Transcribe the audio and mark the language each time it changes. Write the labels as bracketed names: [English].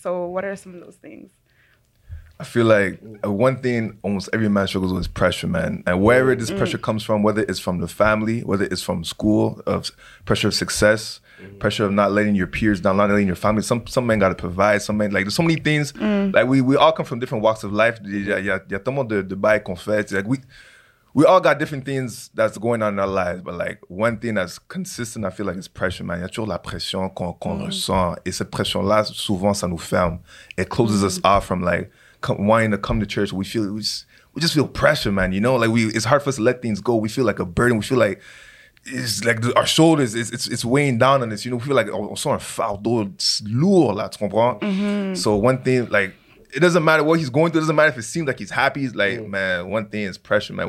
[English] So what are some of those things? I feel like one thing almost every man struggles with is pressure, man. And wherever this pressure comes from, whether it's from the family, whether it's from school, of pressure of success, pressure of not letting your peers down, not letting your family. Some men got to provide. Some men, like, there's so many things. Mm. Like, we all come from different walks of life. [French] Y'a tout le monde de bail qu'on fait. [English] Like, we all got different things that's going on in our lives. But, like, one thing that's consistent, I feel like, is pressure, man. [French] Y'a toujours la pression qu'on ressent. Et cette pression-là, souvent, ça nous ferme. [English] It closes us off from, like, wanting to come to church. We just feel pressure, man, you know, like, it's hard for us to let things go. We feel like a burden. We feel like it's like our shoulders, it's weighing down on us, you know. We feel like on sort of [French] fardeau lourd là, tu comprends? [English] Mm-hmm. So one thing, like, it doesn't matter what he's going through, it doesn't matter if it seems like he's happy, it's like, man, one thing is pressure, man.